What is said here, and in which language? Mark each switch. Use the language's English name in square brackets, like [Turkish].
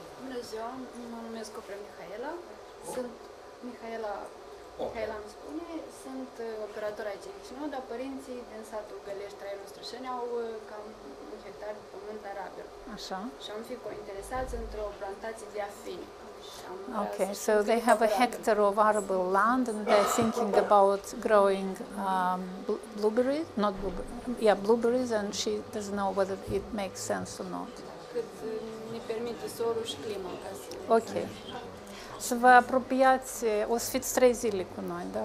[Romanian] Bună ziua, mă numesc Oprea Mihaela. Mihaela îmi spune, sunt operator aici în Chișinău, dar părinții din satul Gălești, Traian Ostrășeni, au cam un hectar de pământ arabil. Așa. Și am fi interesați într-o plantație de afini. [English] Okay, so they have a hectare of arable land and they're thinking about growing blueberries, not blueberries, yeah, blueberries, and she doesn't know whether it makes sense or not. [Romanian] Cât ne permite solul și climă. Okay. Să vă apropiați, o să fiți 3 zile cu noi, da?